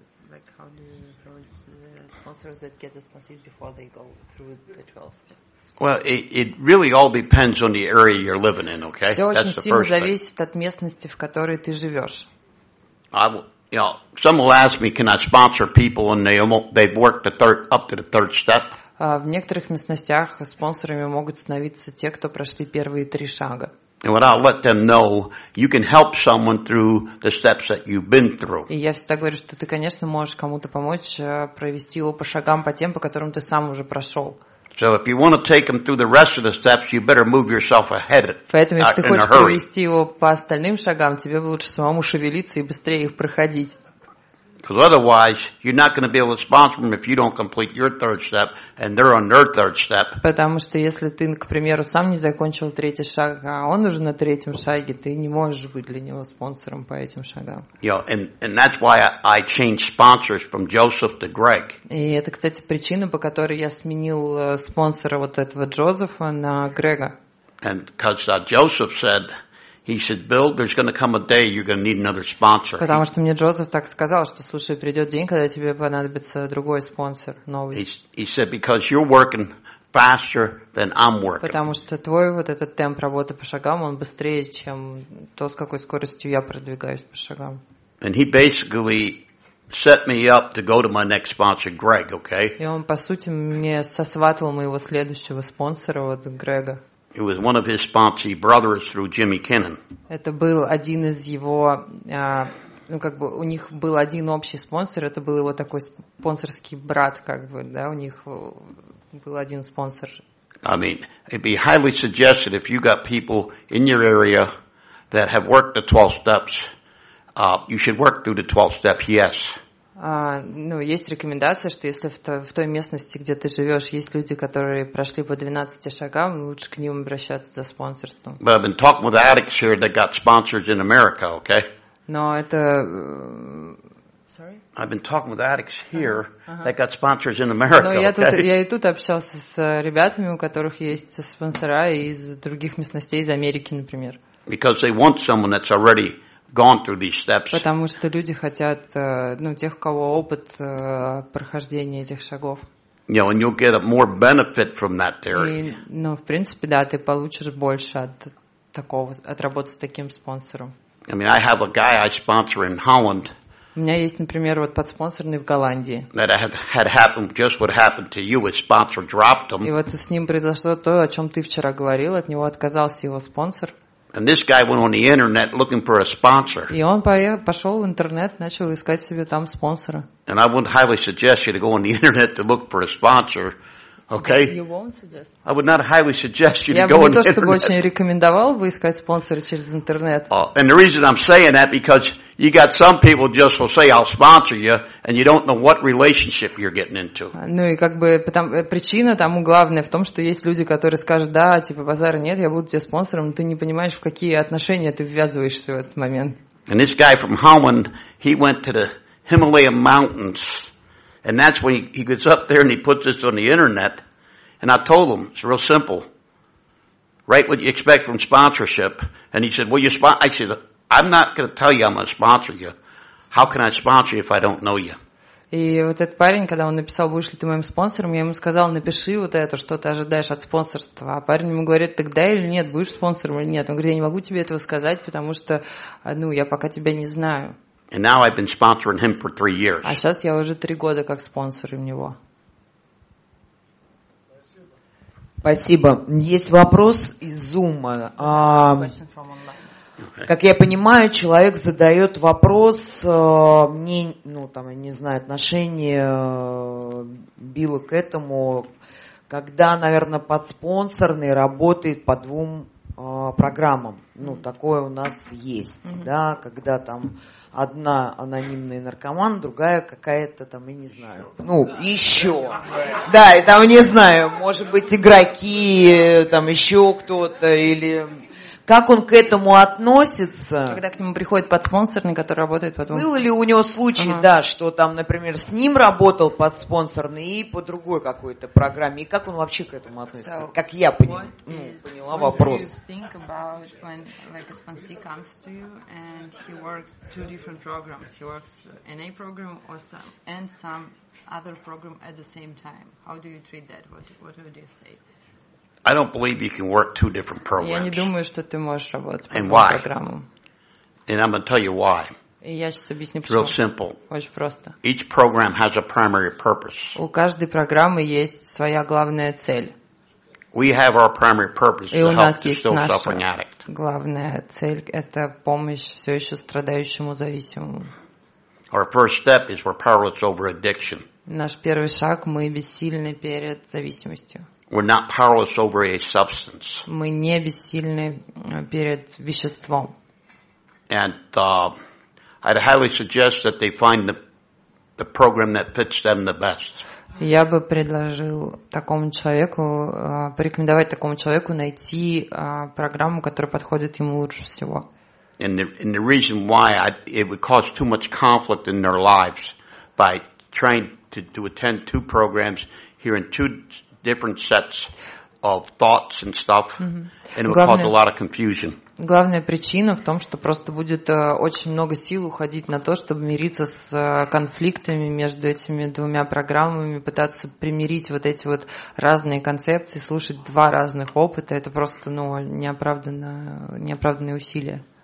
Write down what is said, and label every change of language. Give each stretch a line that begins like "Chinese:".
English: Like how do you approach the sponsors that get the sponsors before they go through the 12 steps? Well, it really all depends on the area you're living in, okay?
Russian: Все очень сильно зависит от местности, в которой ты живешь.
English: Some will ask me, can I sponsor people and they've worked up to the third step?
Russian: В некоторых местностях спонсорами могут становиться те, кто прошли первые три шага.
English: And when I let them know, you can help someone through the steps that you've been through.
Russian: И я всегда говорю, что ты, конечно, можешь кому-то помочь провести его по шагам, по тем, по которым ты сам уже прошел.
English: So if you want to take them through the rest of the steps, you better move yourself ahead in a hurry.
Russian: Поэтому, если ты хочешь провести его по остальным шагам, тебе лучше самому шевелиться и быстрее их проходить.
English: Because otherwise, you're not going to be able to sponsor them if you don't complete your third step, and they're on their third step.
Russian: Потому что если ты, к примеру, сам не закончил третий шаг, а он уже на третьем шаге, ты не можешь быть для него спонсором по этим шагам.
English: Yeah, and that's why I changed sponsors from Joseph to Greg.
Russian: И это, кстати, причина, по которой я сменил спонсора вот этого Джозефа на Грега.
English: And because Joseph said. He said, "Bill, there's going to come a day you're going to need another sponsor."
Russian: Потому что мне Джозеф так сказал, что слушай, придет день, когда тебе понадобится другой спонсор, новый.
English: He said, "Because you're working faster than I'm working."
Russian: Потому что твой вот этот темп работы по шагам он быстрее, чем то, с какой скоростью я продвигаюсь по шагам.
English: And he basically set me up to go to my next sponsor, Greg. Okay.
Russian: И он по сути мне сосватал моего следующего спонсора, вот Грега.
English: It was one of his sponsee brothers through Jimmy Kennan.
Russian: Это был один из его, ну как бы у них был один общий спонсор. Это был его такой спонсорский брат, как бы, да? У них был один спонсор.
English: I mean, it'd be highly suggested if you got people in your area that have worked the 12 steps, you should work through the 12 steps. Yes.
Russian: Ну, есть рекомендация, что если в той местности, где ты живешь, есть люди, которые прошли по 12 шагам, лучше к ним обращаться за спонсорством.
English: But I've been talking with addicts here that got sponsors in America, okay?
Russian: Но это...
English: Sorry? I've been talking with addicts here that got sponsors in America,
Russian: Но
English: okay?
Russian: Я и тут общался с ребятами, у которых есть спонсора из других местностей, из Америки, например.
English: Because they want someone that's already... Gone through these steps.
Russian: Потому что люди хотят, ну, тех, у кого опыт прохождения этих шагов.
English: You know, and you'll get a more benefit from that theory.
Russian: Ну, в принципе, да, ты получишь больше от такого, от работы с таким спонсором.
English: I mean, I have a guy I sponsor in Holland.
Russian: У меня есть, например, вот подспонсорный в Голландии.
English: That had happened just what happened to you, his sponsor dropped him.
Russian: И вот с ним произошло то, о чем ты вчера говорил, от него отказался его спонсор.
English: And this guy went on the internet looking for a sponsor.
Russian: И он пошел в интернет, начал искать себе там спонсора.
English: And I wouldn't highly suggest you to go on the internet to look for a sponsor, okay? You won't suggest. I would not highly suggest you
Russian: Я
English: to go on the internet.
Russian: Я бы не то, чтобы очень рекомендовал бы искать спонсора через интернет.
English: And the reason I'm saying that because you got some people just will say I'll sponsor you, and you don't know what relationship you're getting into.
Russian: Ну и как бы причина тому главная в том, что есть люди, которые скажут да, типа базара нет, я буду тебе спонсором, но ты не понимаешь, в какие отношения ты ввязываешься в этот момент.
English: And this guy from Holland, he went to the Himalayan mountains, and that's when he gets up there and he puts this on the internet, and I told him it's real simple, write what you expect from sponsorship, and he said, well, you spon, I said. I'm not going to tell you I'm going to sponsor you. How can I sponsor you if I don't know you?
Russian: И вот этот парень, когда он написал, будешь ли ты моим спонсором, я ему сказал, напиши вот это, что ты ожидаешь от спонсорства. А парень ему говорит, так да или нет, будешь спонсором или нет. Он говорит, я не могу тебе этого сказать, потому что, ну, я пока тебя не знаю.
English: And now I've been sponsoring him for 3 years.
Russian: А сейчас я уже 3 года как спонсор у него. Спасибо. Есть вопрос из Зума.
English: Okay.
Russian: Как я понимаю, человек задает вопрос мне, ну там, я не знаю, отношение Билла к этому, когда, наверное, подспонсорный работает по двум программам. Ну, такое у нас есть, mm-hmm. да, когда там одна анонимный наркоман, другая какая-то там, я не знаю, ну, еще. Да, и там, не знаю, может быть, игроки, там еще кто-то или... Как он к этому относится? Когда к нему приходит подспонсорный, который работает потом. Был ли у него случай, uh-huh. да, что там, например, с ним работал подспонсорный и по другой какой-то программе? И как он вообще к этому относится? So, как я поняла вопрос.
English: What do you think about when like a sponsee comes to you and he works two different programs? He works an A program or some, and some other program at the same time. How do you treat that? What would you say? I don't believe you can work two different programs.
Russian: Я не думаю, что ты можешь работать по двум программам.
English: And I'm going to tell you why.
Russian: И я сейчас объясню почему.
English: It's real simple.
Russian: Очень просто.
English: Each program has a primary purpose.
Russian: У каждой программы есть своя главная цель.
English: We have our primary purpose.
Russian: И
English: to
Russian: у
English: help
Russian: нас есть наша
English: suffering addict.
Russian: Главная цель – это помощь все еще страдающему зависимому.
English: Our first step is we're powerless over addiction.
Russian: Наш первый шаг – мы бессильны перед зависимостью.
English: We're not powerless over a substance.
Russian: Мы не бессильны перед веществом.
English: And I'd highly suggest that they find the the program that fits them the best.
Russian: Я бы предложил такому человеку, порекомендовать такому человеку найти программу, которая подходит ему лучше всего.
English: And the reason why it would cause too much conflict in their lives by trying to attend two programs, hearing two different sets of thoughts and stuff, mm-hmm. and it would cause a lot of confusion.
Russian: Главная причина в том, что просто будет очень много сил уходить на то, чтобы мириться с конфликтами между этими двумя программами, пытаться примирить вот эти вот разные концепции, слушать два разных опыта. Это просто, ну, неоправданные усилия.